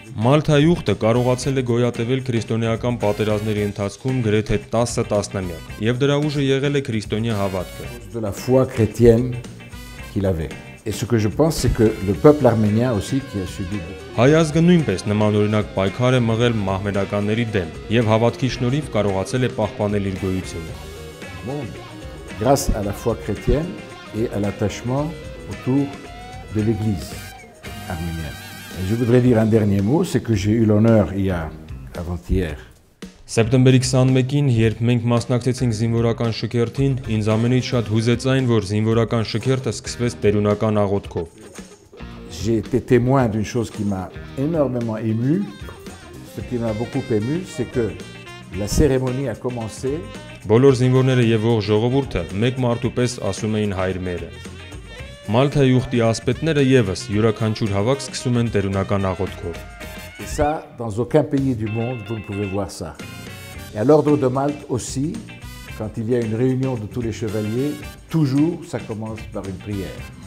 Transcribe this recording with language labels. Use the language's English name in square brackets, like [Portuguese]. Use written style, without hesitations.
[Armenian] Մալթայի ուխտը կարողացել է գոյատևել քրիստոնեական պատերազմների ընթացքում գրեթե 10 տասնամյակ, եւ դրա ուժը եղել է քրիստոնյա հավատքը. [French] De la foi chrétienne qu'il avait. Et ce que je pense c'est que le peuple arménien aussi qui a subi [Armenian] Հայազգը նույնպես նման օրինակ պայքար է մղել մահմեդականների դեմ եւ հավատքի շնորհիվ կարողացել է պահպանել իր գոյությունը։ [French] Grâce à la foi chrétienne et à l'attachement autour de l'église arménienne. Je voudrais dire un dernier mot, c'est que j'ai eu l'honneur il y a avant-hier. [Armenian] Սեպտեմբերի 21-ին, երբ մենք մասնակցեցինք զինվորական շքերթին, ինձ ամենից շատ հուզեց այն, որ զինվորական շքերթը սկսվեց տերունական աղոթքով։ [French] J'ai été témoin d'une chose qui m'a énormément ému. Ce qui m'a beaucoup ému, c'est que la cérémonie a commencé. [Armenian] Բոլոր զինվորները եւ ողջ ժողովուրդը մեկ մարդուպես ասում էին հայր մերը։ Մալթայի ուխտի ասպետները եւս յուրաքանչյուր հավաք սկսում են տերունական աղոթքով։ [French] Ça, dans aucun pays du monde, vous ne pouvez voir ça. Et à l'ordre de Malte aussi, quand il y a une réunion de tous les chevaliers, toujours ça commence par une prière.